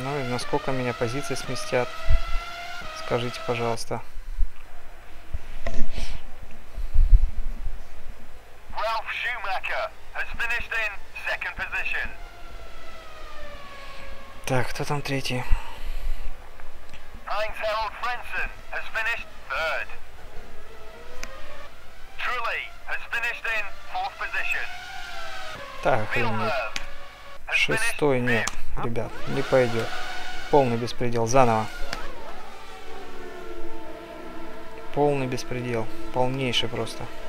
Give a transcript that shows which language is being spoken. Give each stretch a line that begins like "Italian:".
Russian: Насколько меня позиции сместят, скажите, пожалуйста.
English: Ralph Schumacher has finished in second position.
Russian: Так, кто там третий?
English: Heinz-Harald Frentzen has finished third. Trulli has finished in fourth position.
Russian: Так, охренеть. Шестой, нет, ребят, не пойдет. Полный беспредел, заново. Полный беспредел, полнейший просто.